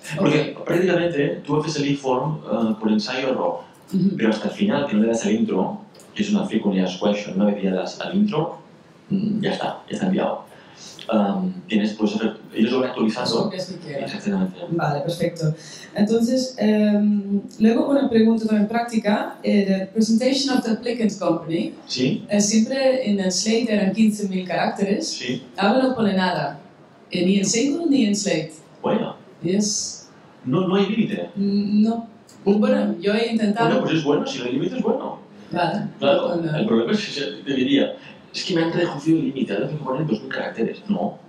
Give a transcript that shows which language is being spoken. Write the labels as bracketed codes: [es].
[es] Porque prácticamente tú haces el eForm por ensayo error, pero hasta el final, que no le das al intro, que es una [en] frequently asked question, [es] una vez ya das al intro, ya está enviado. Ellos lo han actualizado. Exactamente. Vale, perfecto. Entonces, luego una pregunta también práctica. [en] The presentation of the applicant company. [es] Sí. Siempre en el Slate eran 15.000 caracteres. Sí. Ahora no pone nada. Ni en single ni en Slate. Bueno. [en] Yes. [es] No hay límite. No. Bueno, yo he intentado. Bueno, pues es bueno. Si no hay límite, es bueno. Vale. Claro. No. El problema es que se debería. Es que me han reducido el límite, ahora tengo que poner 2.000 caracteres, ¿no?